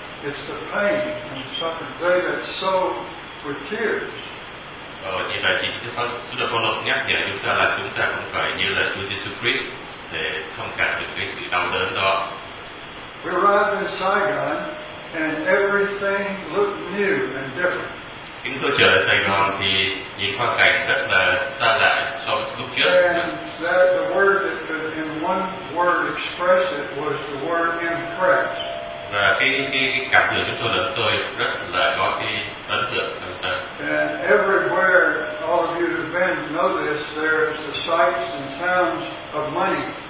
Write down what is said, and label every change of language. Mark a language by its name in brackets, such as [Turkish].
[English] It's the pain and the suffering. They that sow with tears. [Vietnamese] Thì vậy thì Chúa Phaolô nhắc nhở chúng ta là chúng ta cũng phải như là Chúa Giêsu Christ để thông cảm được cái sự đau đớn đó. [English] We arrived in Saigon and everything looked new and different. [Vietnamese] Chúng tôi trở lại Sài Gòn thì nhìn hoàn cảnh rất là xa lạ so với lúc trước. [English] And that the word that could in one word express it was the word impressed. [Vietnamese] Và cái cảm tưởng chúng tôi là tôi rất là có cái ấn tượng sâu sắc. [English] And everywhere all of you have been know this, there's the sights and sounds of money.